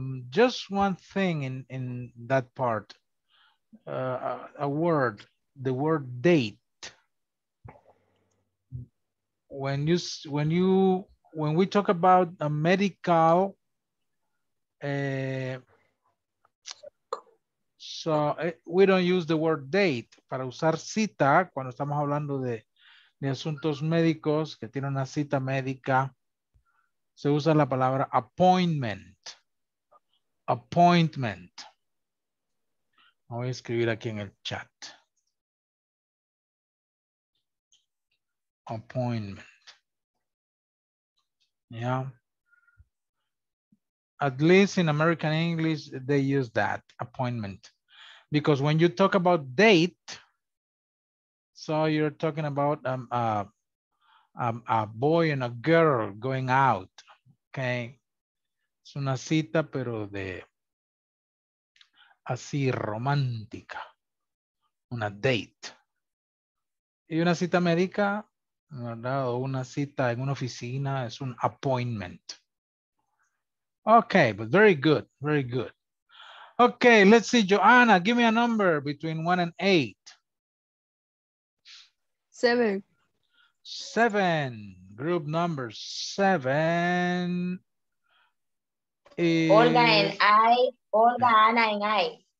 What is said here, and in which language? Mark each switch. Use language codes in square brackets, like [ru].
[en] Just one thing in that part. A word. The word date. When we talk about a medical, we don't use the word date. [es] Para usar cita, cuando estamos hablando de asuntos médicos, que tiene una cita médica, se usa la palabra appointment. Appointment. Voy a escribir aquí en el chat. [en] Appointment. Yeah, at least in American English, they use that appointment. Because when you talk about date, so you're talking about a boy and a girl going out, okay? [es] Es una cita, pero de así romántica, una date. Y una cita médica, ¿verdad? O una cita en una oficina es un appointment. [en] Okay, but very good, very good. Okay, let's see, Joanna, give me a number between 1 and 8. 7. 7, group number 7. Olga, Anna, and I.